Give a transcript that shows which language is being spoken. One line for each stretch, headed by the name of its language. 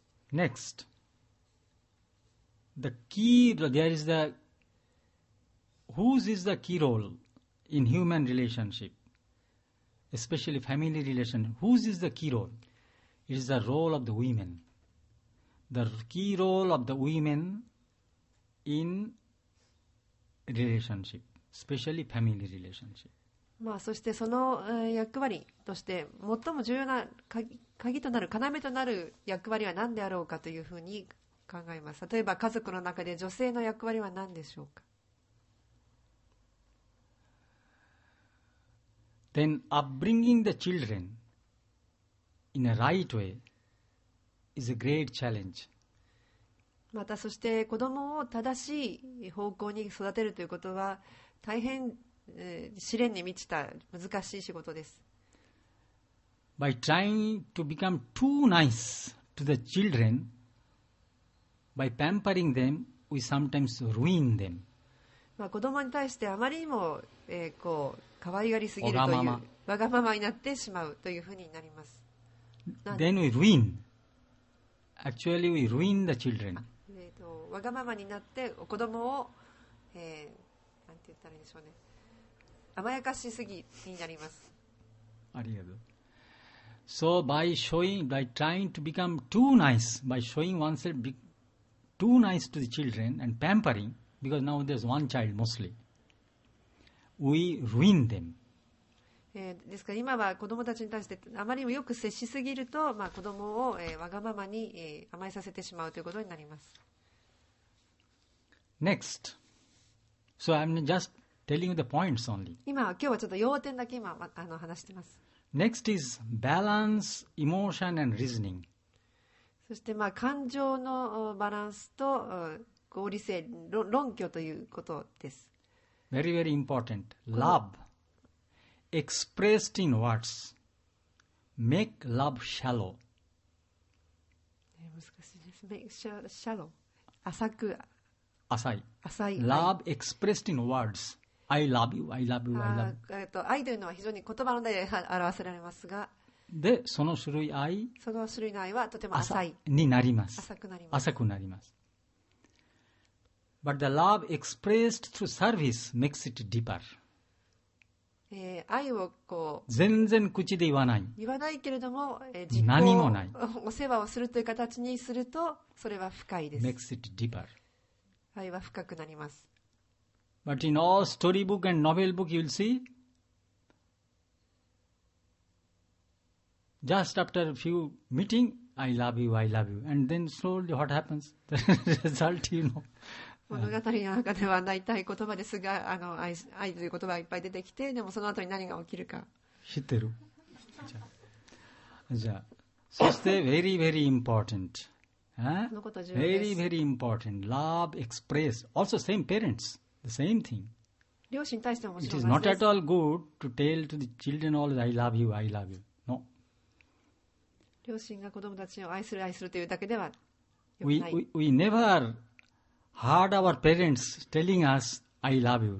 English: Next, the key, there is the whose is the key role in human relationship, especially family relation. Whose is the key role? It is the role of the women. The key role of the women in relationship. Especially family relationship.
Japanese: まあ、そしてその役割として最も重要な 鍵となる、要となる役割は何であろうかというふうに考えます。例えば家族の中で女性の役割は何でしょうか。
English: Then upbringing the children in a right way is a great challenge.
Japanese: またそして子供を正しい方向に育てるということは大変、試練に満ちた難しい仕事です。
English: By trying to become too nice to the children, by pampering them, we sometimes ruin them.
Japanese: まあ、子供に対してあまりにも、こう可愛がりすぎるというわがままになってしまうというふうになります。
English: Then we ruin. Actually we ruin the children.
Japanese: わがままになってお子供を、なんて言ったらいいでしょうね、甘やかしすぎになります。ありがとう。
English: So by showing, by trying to become too nice, by showing oneself too nice to the children and pampering, because now there's one child mostly, we ruin them.
Japanese: ですから今は子供たちに対してあまりにもよく接しすぎると、まあ、子供を、わがままに、甘えさせてしまうということになります。
English: Next. So I'm just telling you the points only.
Japanese: 今日はちょっと要点だけ今話してます。
English: Next is balance, emotion and reasoning.
Japanese: そして、まあ、感情のバランスと合理性、論拠ということです。
English: Very, very important. Love expressed in words make love shallow.
Japanese: 難しいです。
English: Make shallow.
Japanese: 浅く。浅い。
English: Love expressed in words. I love you. I love you. I love you.
Japanese: 愛というのは非常に言葉の中で表せられますが、でその種類愛、その種類の愛はとても浅いになります。浅くなります。浅くなります。
English: But the love expressed through service makes it deeper.
Japanese: 愛をこう全然口で言わない。言わないけれども、何もない。お世話をするという形にするとそれは深いです。
English: Makes it deeper.
Japanese: 愛は深くなります。
English: But in all story book and novel book you'll see just after a few meeting I love you, I love you and then slowly what happens the result you know
Japanese: 物語の中では大体言葉ですが愛という言葉がいっぱい出てきて、でもその後に何が起きるか知ってる。じゃあそして
English: very very importantVery, very important. Love expressed. Also, same parents. The same thing.
Japanese: 両親に対してももちろん
English: It is not at all good to tell to the children all that I love you, I love you. No.
Japanese: 両親が子供たちを愛する愛するというだけではよくない。
English: We never heard our parents telling us I love you.